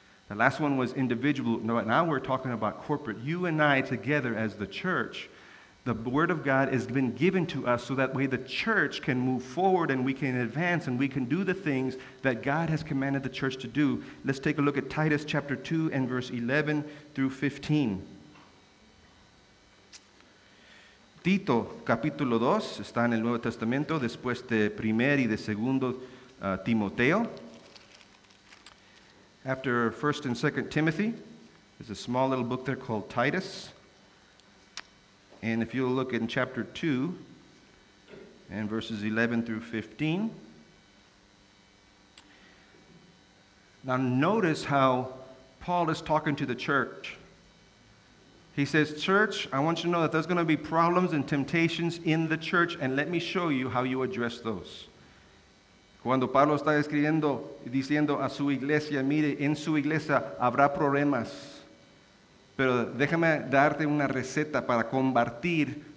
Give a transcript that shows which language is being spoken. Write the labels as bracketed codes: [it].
[en] The last one was individual. Now we're talking about corporate. You and I together as the church, the Word of God has been given to us so that way the church can move forward and we can advance and we can do the things that God has commanded the church to do. Let's take a look at Titus chapter 2 and verse 11 through 15. [es] Tito capítulo 2 está en el Nuevo Testamento después de primer y de segundo Timoteo. [en] After 1st and 2nd Timothy, there's a small little book there called Titus. And if you'll look in chapter 2 and verses 11 through 15. Now notice how Paul is talking to the church. He says, church, I want you to know that there's going to be problems and temptations in the church, and let me show you how you address those. [es] Cuando Pablo está escribiendo y diciendo a su iglesia, mire, en su iglesia habrá problemas, pero déjame darte una receta para combatir